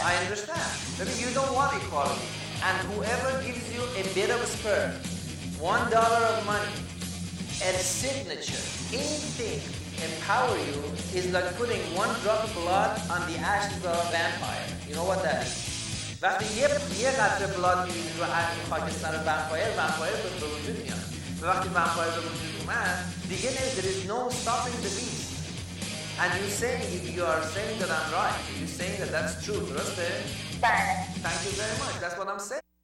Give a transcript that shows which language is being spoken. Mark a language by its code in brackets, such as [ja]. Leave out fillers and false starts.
[en] I understand. Because you don't want equality. And whoever gives you a bit of a spur, $1 of money, a signature, anything empower you is like putting one drop of blood on the ashes of a vampire. You know what that is? [fa] وقتی یه قطره بلاد میریزی رو از خاکستر ومپایر به وجود میاد، و وقتی ومپایر به وجود اومد دیگه نه، [en] there is no stopping the beast. And you say, if you are saying that I'm right, you saying that that's true, [fa] درسته؟ بله. [en] Thank you very much, that's what I'm saying.